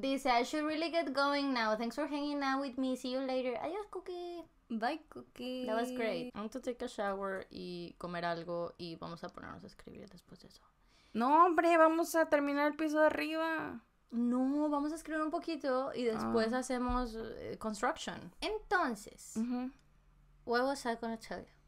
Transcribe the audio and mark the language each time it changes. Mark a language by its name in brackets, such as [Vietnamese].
[English] Dice, I should really get going now. Thanks for hanging out with me. See you later. Adiós, Cookie. Bye, Cookie. That was great. I want to take a shower [Spanish] y comer algo y vamos a ponernos a escribir después de eso. No, hombre, vamos a terminar el piso de arriba. No, vamos a escribir un poquito y después hacemos construction. [English] Entonces, what was I gonna tell you?